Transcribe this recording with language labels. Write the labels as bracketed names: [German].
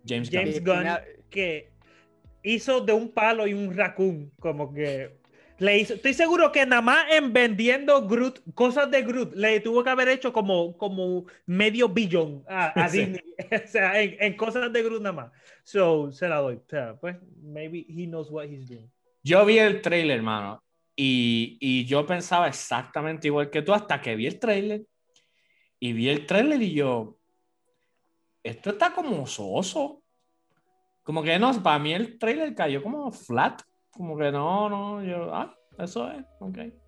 [Spanish] James Gunn. Que hizo de un palo y un raccoon. Como que... Le hizo, estoy seguro que nada más en vendiendo Groot, cosas de Groot, le tuvo que haber hecho como medio billón a Disney. O sea, en cosas de Groot nada más. [English] So, [Spanish] se la doy. O sea, pues, [English] maybe he knows what he's doing. [Spanish] Yo vi el trailer, hermano, y yo pensaba exactamente igual que tú hasta que vi el trailer. Y vi el trailer y yo, esto está como soso. Como que no, para mí el trailer cayó como flat. Como que no, yo, eso es, ok.